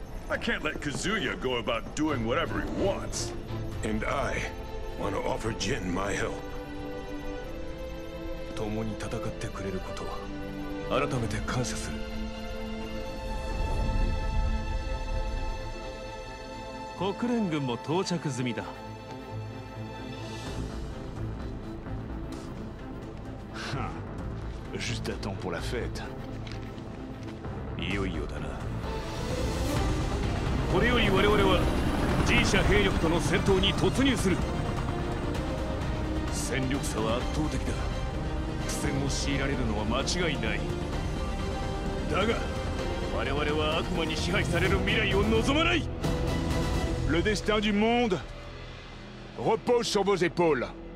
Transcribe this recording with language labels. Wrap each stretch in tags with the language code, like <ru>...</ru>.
<en>I can't let Kazuya go about doing whatever he wants. And I want to offer Jin my help.</en> <ja>共に戦ってくれることは改めて感謝する。国連軍も到着済みだ。</ja> <fr>Juste à temps pour la fête. Yo yo da na.</fr> <ja>これより我々は人者兵力との戦闘に突入する。戦力差は圧倒的だ。苦戦を強いられるのは間違いない。だが我々は悪魔に支配される未来を望まない。</ja> <fr>Le destin du monde repose sur vos épaules.</fr>